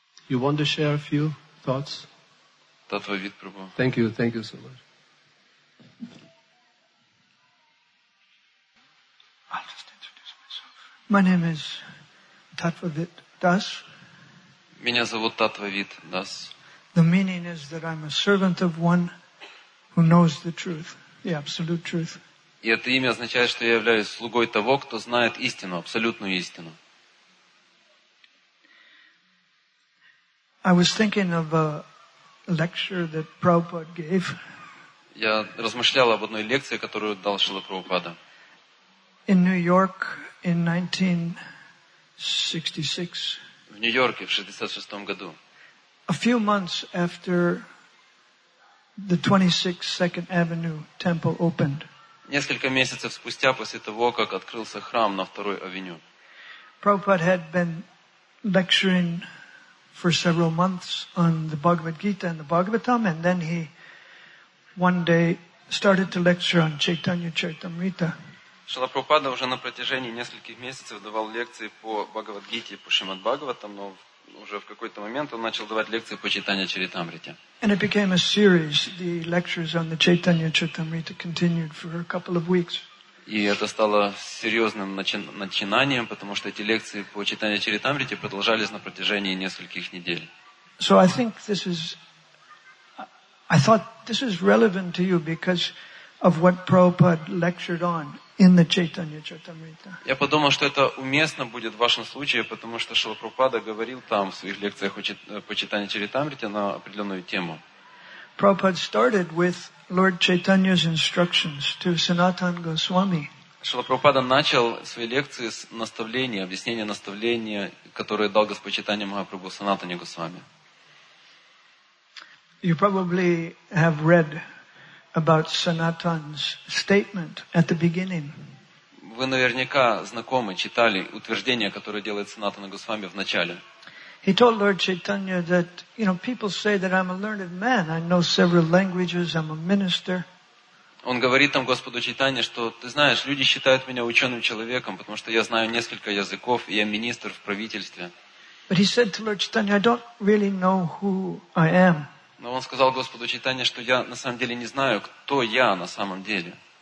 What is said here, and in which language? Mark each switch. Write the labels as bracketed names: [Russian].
[English] You want to share a few thoughts? [Russian] Татва вид Прабху. [English] Thank you so much. I'll just introduce myself. My name is Tattva Vit Das. [Russian] Меня зовут Татва Вид Дас. [English] The meaning is that I'm a servant of one who knows the truth, the absolute truth. [Russian] И это имя означает, что я являюсь слугой того, кто знает истину, абсолютную истину. [English] I was thinking of a lecture that Prabhupada gave. [Russian] Я размышлял об одной лекции, которую дал Шрила Прабхупада. [English] In New York in 1966. [Russian] В Нью-Йорке в 66-м году. [English] A few months after the 26th Second Avenue Temple opened. [Russian] Несколько месяцев спустя после того, как открылся храм на Второй Авеню. [English] Prabhupada had been lecturing for several months on the Bhagavad Gita and the Bhagavatam, and then he one day started to lecture on Chaitanya Charitamrita. [Russian] Шрила Прабхупада уже на протяжении нескольких месяцев давал лекции по Бхагавад Гите и по Шримад Бхагаватам, но уже в какой-то момент он начал давать лекции по Чайтанья Чаритамрите. [English] And it became a series. The lectures on the Chaitanya Charitamrita continued for a couple of weeks. [Russian] И это стало серьезным начинанием, потому что эти лекции по Чайтанья Чаритамрите продолжались на протяжении нескольких недель. [English] So I think this is, I thought this is relevant to you because of what Prabhupada lectured on in the Chaitanya Charitamrita. [Russian] Я подумал, что это уместно будет в вашем случае, потому что Шрила Прабхупада говорил там в своих лекциях по Чайтанья Чаритамрите на определенную тему. [English] Prabhupada started with Lord Chaitanya's instructions to Sanatana Goswami. [Russian] Шрила Прабхупада начал свои лекции с наставления, объяснения наставления, которые дал Господь Чайтанья Махапрабху Санатане Госвами. [English] You probably have read about Sanatana's statement at the beginning. [Russian] Вы наверняка знакомы, читали утверждение, которое делает Санатана Госвами в начале. [English] He told Lord Chaitanya that, you know, people say that I'm a learned man. I know several languages. I'm a minister. [Russian] Он говорит там Господу Чайтанье, что ты знаешь, люди считают меня ученым человеком, потому что я знаю несколько языков, и я министр в правительстве. [English] But he said to Lord Chaitanya, I don't really know who I am. [Russian] Но он сказал Господу Чайтанье, что я на самом деле не знаю, кто я на самом деле.